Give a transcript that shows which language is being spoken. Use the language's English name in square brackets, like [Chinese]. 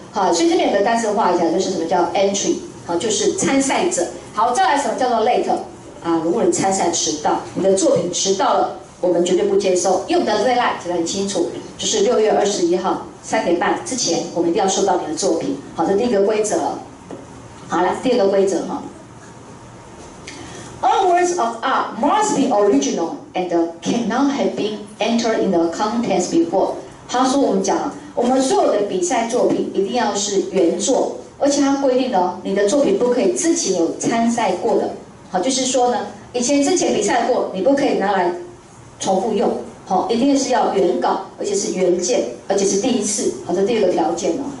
[Chinese] 好，所以这边有个单词画一下，就是什么叫 entry， 好，就是参赛者。好，再来什么叫做 late， 啊，如果你参赛迟到，你的作品迟到了，我们绝对不接受。用的 late 写得很清楚，就是六月二十一号三点半之前，我们一定要收到你的作品。好，这第一个规则。好了，第二个规则哈 [English] ，All works of art must be original and cannot have been entered in the contest before。 [Chinese] 他说我们讲。我们所有的比赛作品一定要是原作，而且它规定的哦，你的作品不可以之前有参赛过的，好，就是说呢，以前之前比赛过，你不可以拿来重复用，好，一定是要原稿，而且是原件，而且是第一次，好，这第二个条件哦。